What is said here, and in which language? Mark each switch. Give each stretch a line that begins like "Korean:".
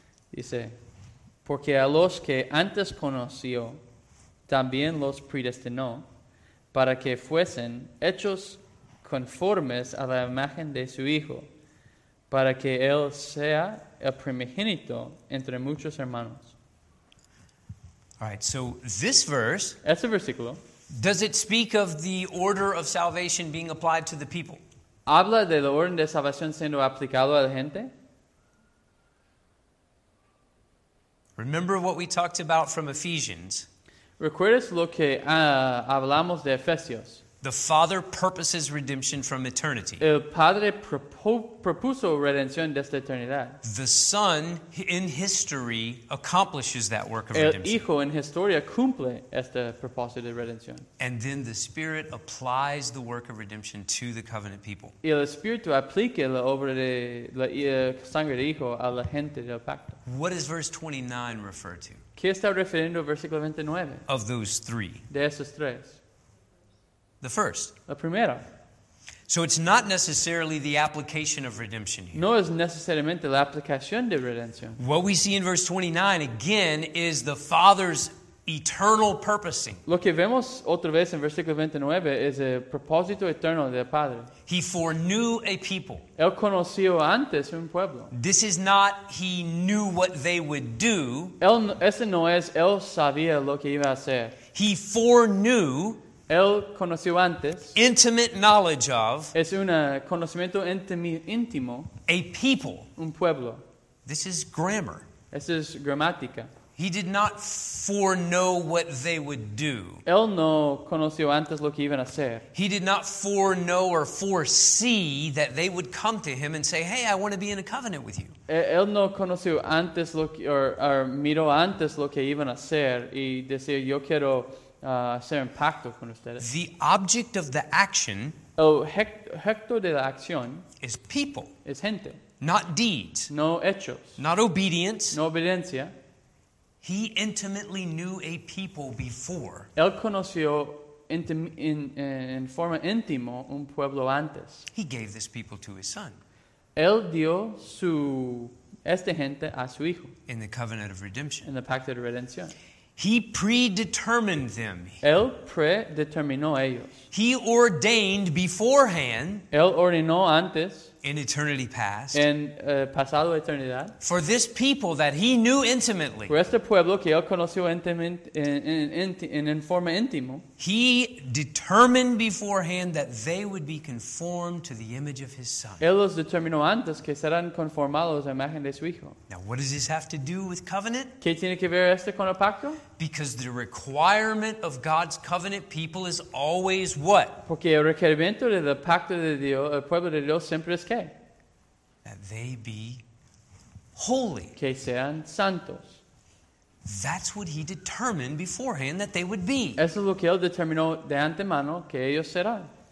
English: You say,
Spanish: porque a los que antes conoció, también los predestinó para que fuesen hechos conformes a la imagen de su Hijo, para que Él sea el primogénito entre muchos hermanos.
English: All right, so this verse,
Spanish: este versículo,
English: does it speak of the order of salvation being applied to the people?
Spanish: ¿Habla de la orden de salvación siendo aplicado a la gente?
English: Remember what we talked about from Ephesians.
Spanish: ¿Recuerdas lo que hablamos de Efesios?
English: The Father purposes redemption from eternity.
Spanish: El Padre propuso redención desde eternidad.
English: The Son in history accomplishes that work of
Spanish: el
English: redemption.
Spanish: El Hijo en historia cumple este propósito de redención.
English: And then the Spirit applies the work of redemption to the covenant people.
Spanish: Y el Espíritu aplica la obra de la sangre del Hijo a la gente del pacto.
English: What does verse 29 refer to?
Spanish: ¿Qué está refiriendo al versículo 29?
English: Of those three.
Spanish: De esos tres.
English: The first.
Spanish: La primera.
English: So it's not necessarily the application of redemption here.
Spanish: No es necesariamente la aplicación de redención.
English: What we see in verse 29 again is the Father's eternal purposing.
Spanish: Lo que vemos otra vez en versículo 29 es el propósito eterno del Padre.
English: He foreknew a people.
Spanish: Él conoció antes un pueblo.
English: This is not he knew what they would do.
Spanish: Ese no es él sabía lo que iba a hacer.
English: He foreknew.
Spanish: Él conoció antes.
English: Intimate knowledge of.
Spanish: Es un conocimiento íntimo.
English: A people.
Spanish: Un pueblo.
English: This is grammar.
Spanish: Esa es gramática.
English: He did not foreknow what they would do.
Spanish: Él no conoció antes lo que iban a hacer.
English: He did not foreknow or foresee that they would come to him and say, "Hey, I want to be in a covenant with you."
Spanish: Él no conoció antes lo que, or miró antes lo que iban a hacer y decir, "Yo quiero hacer un pacto con ustedes."
English: The object of the action,
Spanish: objeto de la acción,
English: is people.
Spanish: Es gente.
English: Not deeds.
Spanish: No hechos.
English: Not obedience.
Spanish: No obediencia.
English: He intimately knew a people before.
Spanish: Él conoció en forma íntimo un pueblo antes.
English: He gave this people to his son.
Spanish: Él dio esta gente a su hijo.
English: In the covenant of redemption.
Spanish: En el pacto de redención.
English: He predetermined them.
Spanish: Él predeterminó ellos.
English: He ordained beforehand.
Spanish: Él ordenó antes.
English: In eternity past.
Spanish: En pasado eternidad.
English: For this people that he knew intimately.
Spanish: Por este pueblo que él conoció en forma íntimo.
English: He determined beforehand that they would be conformed to the image of his son.
Spanish: Él los determinó antes que serán conformados a imagen de su hijo.
English: Now what does this have to do with covenant?
Spanish: ¿Qué tiene que ver este con el pacto?
English: Because the requirement of God's covenant people is always what?
Spanish: Porque el requerimiento del pacto de Dios, el pueblo de Dios siempre es qué?
English: That they be holy.
Spanish: Que sean santos.
English: That's what he determined beforehand that they would be.
Spanish: Eso es lo que él determinó de antemano que ellos serán.